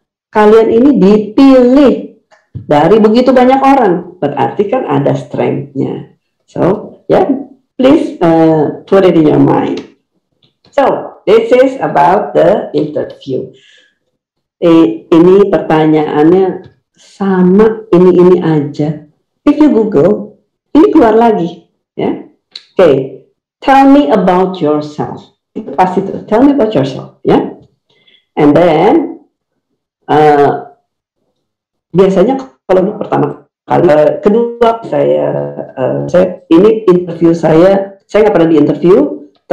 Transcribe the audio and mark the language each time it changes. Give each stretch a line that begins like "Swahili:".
Indonesian: Kalian ini dipilih dari begitu banyak orang. Berarti kan ada strength-nya.
English: So, yeah, please put it in your mind. So, this is about the interview.
Indonesian: Ini pertanyaannya sama ini aja.
English: If you Google,
Indonesian: ini keluar lagi, ya. Yeah?
English: Okay, tell me about yourself.
Indonesian: Itu pasti itu.
English: Tell me about yourself,
Indonesian: ya. Yeah? And then, biasanya kalau pertama kali, kedua saya ini interview saya nggak pernah diinterview.